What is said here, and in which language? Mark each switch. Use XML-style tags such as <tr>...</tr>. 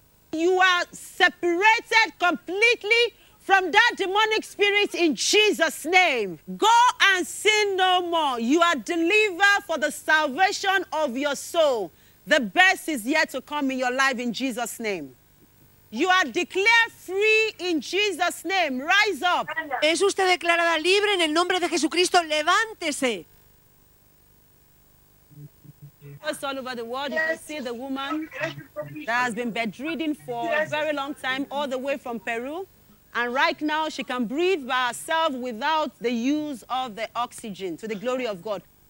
<en>You are separated completely from that demonic spirit in Jesus' name. Go and sin no more. You are delivered for the salvation of your soul. The best is yet to come in your life in Jesus' name. You are declared free in Jesus' name. Rise up.</en> <es>Es usted declarada libre en el nombre de Jesucristo. Levántese.</es> <en>Just all over the world, yes. You can see the woman that has been bedridden for a very long time, all the way from Peru. And right now, she can breathe by herself without the use of the oxygen, to the glory of God.</en>